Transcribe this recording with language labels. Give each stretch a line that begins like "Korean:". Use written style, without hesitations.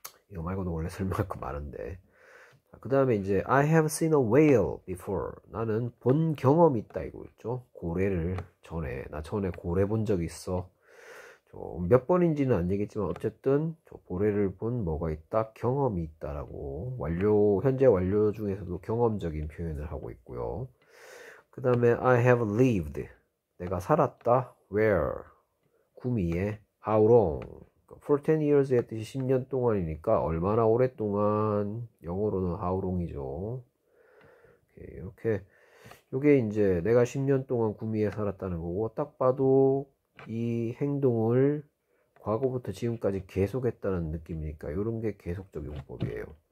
Korean: 이거 말고도 원래 설명할 거 많은데. 그 다음에 이제
English: I have seen a whale before.
Korean: 나는 본 경험이 있다 이거 있죠. 고래를 전에, 나 전에 고래 본적 있어. 몇 번인지는 안 얘기했지만 어쨌든 고래를 본 뭐가 있다, 경험이 있다라고 완료, 현재 완료 중에서도 경험적인 표현을 하고 있고요. 그 다음에
English: I have lived.
Korean: 내가 살았다. Where? 구미에.
English: How long? For 10 years
Korean: 했듯이 10년 동안이니까 얼마나 오랫동안, 영어로는 how long이죠. 이렇게 요게 이제 내가 10년 동안 구미에 살았다는 거고, 딱 봐도 이 행동을 과거부터 지금까지 계속했다는 느낌이니까 요런 게 계속적 용법이에요.